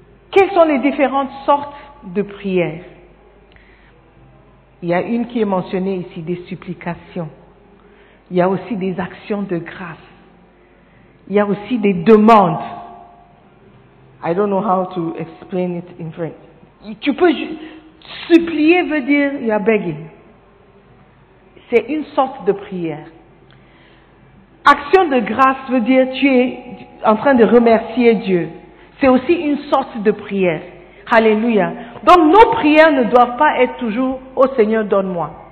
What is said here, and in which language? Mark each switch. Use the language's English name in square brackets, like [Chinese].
[French] Quelles sont les différentes sortes de prières? Il y a une qui est mentionnée ici, des supplications. Il y a aussi des actions de grâce. Il y a aussi des demandes. [English] I don't know how to explain it in French. [French] Tu peux supplier veut dire [English] you are begging. [French] C'est une sorte de prière. Action de grâce veut dire tu es en train de remercier Dieu. C'est aussi une sorte de prière. Hallelujah. Donc nos prières ne doivent pas être toujours oh Seigneur donne-moi.